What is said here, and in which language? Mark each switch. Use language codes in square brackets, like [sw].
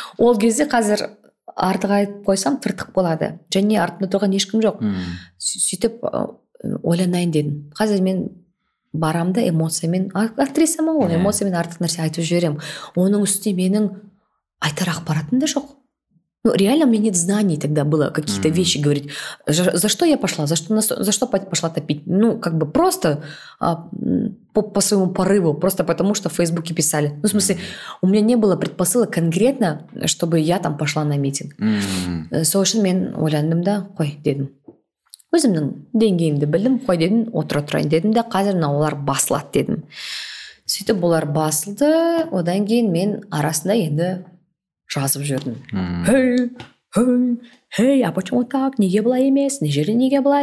[kk] Ол кезде қазір артық айтып қойсам тыртық болады. Және артында тұрған ешкім жоқ. Сөйтіп ойланайын дедім. Қазір мен барамды эмоциямен, актрисамын ғой, эмоциямен артық нәрсе айтып жіберемін. Оның үсті менің айтар ақпаратым да жоқ. [ru] Ну, реально, у меня нет знаний тогда было какие-то вещи говорить. За что я пошла? За что пошла топить? Ну, как бы просто по своему порыву, просто потому что в Фейсбуке писали. Ну, в смысле, у меня не было предпосылок конкретно, чтобы я там пошла на митинг. Совершенно [kk] мен ойландым да, қой, дедім. Өзімнің деңгейімді білдім, қой, дедім, отыра тұрайын дедім да, қазір олар басылады дедім. Сөйтіп олар басылды, одан кейін мен арасында енді жазып жүрдім. Хей, хей, хей, [ru] а почему так? [kk] Неге былай емес? Мына жерде неге былай?